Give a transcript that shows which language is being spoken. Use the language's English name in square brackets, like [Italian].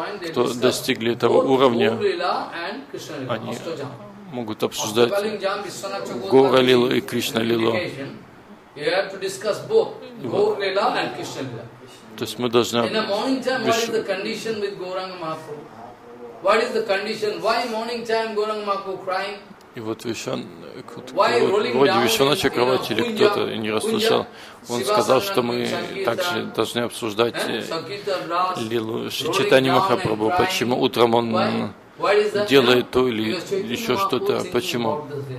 [Russian] кто достигли этого уровня, они могут обсуждать Гора Лилу и Кришна Лилу. [English] You have to discuss both Gaura Lila and Krishna Lila. [Russian] То есть мы должны. [English] In the morning time, what is the condition with Gauranga Mahaprabhu? What is the condition? Why morning time Gauranga Mahaprabhu crying? [Russian] И вот Вишвана Чакравати или кто-то, я не расслышал, он сказал, что мы также должны обсуждать лилу Шри Чайтанья Махапрабху, почему утром он делает то или еще что-то, почему?